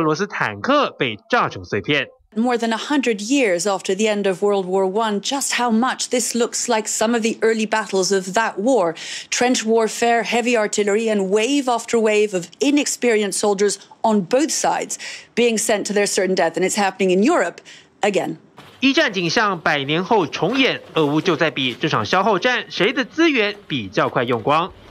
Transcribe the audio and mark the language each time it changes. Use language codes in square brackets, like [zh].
[zh] 根据一位乌军指挥官说法，俄军推进巴赫姆特速度正在放慢。最新画面又有5辆俄罗斯坦克被炸成碎片。 [en] More than 100 years after the end of World War I, just how much this looks like some of the early battles of that war. Trench warfare, heavy artillery, and wave after wave of inexperienced soldiers on both sides being sent to their certain death. And it's happening in Europe again. [zh] 一战景象百年后重演，俄乌就在比这场消耗战谁的资源比较快用光。